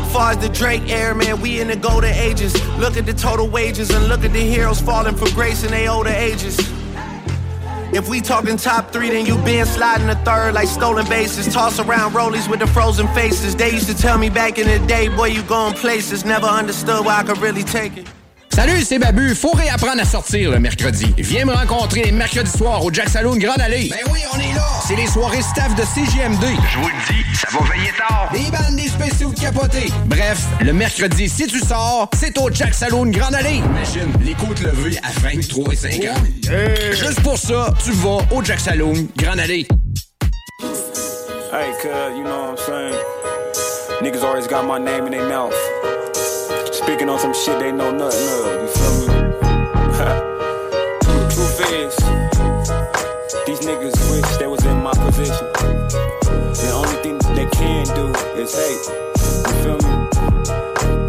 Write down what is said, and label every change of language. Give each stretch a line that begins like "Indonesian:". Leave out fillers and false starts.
English: Far as the Drake era, man, we in the golden ages. Look at the total wages and look at the heroes falling from grace in they older ages. If we talking top three, then you been sliding a third like stolen bases. Toss around rollies with the frozen faces. They used to tell me back in the day, boy, you going places. Never understood why I could really take it.
French: Salut, c'est Babu. Faut réapprendre à sortir le mercredi. Viens me rencontrer les mercredis soirs au Jack Saloon Grande Allée. Ben oui, on est là. C'est les soirées staff de CGMD. Je vous le dis, ça va veiller tard. Des bandes, des spéciaux capotés. Bref, le mercredi, si tu sors, c'est au Jack Saloon Grande Allée. Imagine, les côtes levées à 23 et 5 ans. Juste pour ça, tu vas au Jack Saloon Grande Allée.
English: Hey, cuz, you know what I'm saying? Niggas always got my name in their mouth. Speaking on some shit they know nothing of, you feel me? Truth is, these niggas wish they was in my position. The only thing they can do is hate, you feel me?